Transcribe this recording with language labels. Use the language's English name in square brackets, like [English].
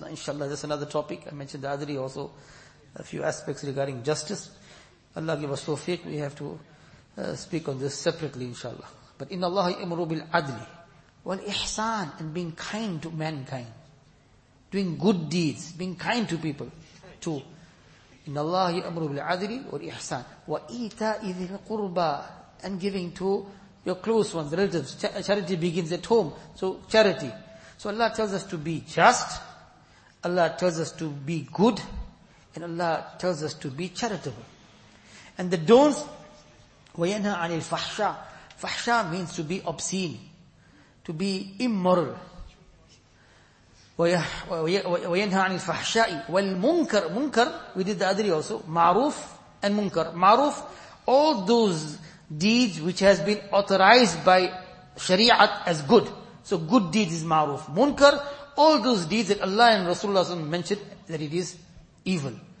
[English] Now, inshallah, that's another topic. I mentioned the adri also, a few aspects regarding justice. Allah give us tawfiq. We have to speak on this separately, inshallah. But [Arabic] إِنَّ اللَّهَ يَأْمُرُ بِالْعَدْلِ وَالْإِحْسَانِ [English] And being kind to mankind. Doing good deeds, being kind to people. Two. [Arabic] إِنَّ اللَّهِ يَأْمُرُ بِالْعَدْلِ وَالْإِحْسَانِ وَإِيتَاءِ ذِي الْقُرْبَى [English] And giving to your close ones, relatives. Charity begins at home. So, charity. So Allah tells us to be just. Allah tells us to be good. And Allah tells us to be charitable. And the don'ts, [Arabic] وَيَنْهَا عَنِ الْفَحْشَى فَحْشَى [English] means to be obscene. To be immoral. [Arabic] وينهى عن الفحشاء والمنكر. [English] منكر, we did the other day also, معروف and منكر. معروف, all those deeds which has been authorized by Shari'at as good. So good deeds is ma'ruf. Munkar, all those deeds that Allah and Rasulullah mentioned that it is evil.